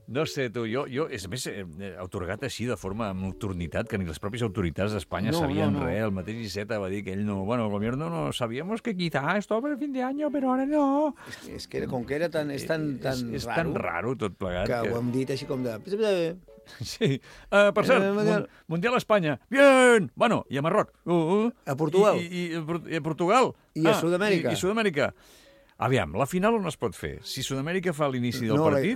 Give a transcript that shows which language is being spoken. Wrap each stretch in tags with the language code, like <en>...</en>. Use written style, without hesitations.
<ca>No sé, tu, jo és més, otorgat així de forma amb nocturnitat, que ni les pròpies autoritats d'Espanya no sabien. Res. El mateix Iceta va dir que ell no...</ca> <es>Bueno, gobierno, no sabíamos que quizá esto para el fin de año, pero ahora no.</es> <ca>És que com que era tan... És tan raro. És tan raro tot plegat. Que ho hem dit així com de... Sí. Per cert, Mundial a Espanya. Bien! Bueno, i a Marroc. A Portugal. I a Portugal. I a Sud-amèrica. I a Sud-amèrica. Aviam, la final on es pot fer? Si Sud-amèrica fa l'inici del partit...</ca>